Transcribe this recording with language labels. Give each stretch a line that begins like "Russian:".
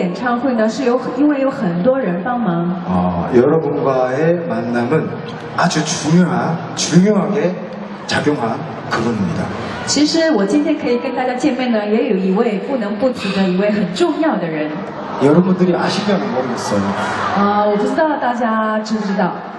Chinese: 我今天之所以能在这里开演唱会呢，是因为有很多人帮忙。
Korean: 여러분과의 만남은 아주 중요하게 작용한 그분입니다.
Chinese: 其实我今天可以跟大家见面呢，也有一位不能不提的一位很重要的人。
Korean: 여러분들이 아시면 모르겠어요.
Chinese: 我不知道大家知不知道。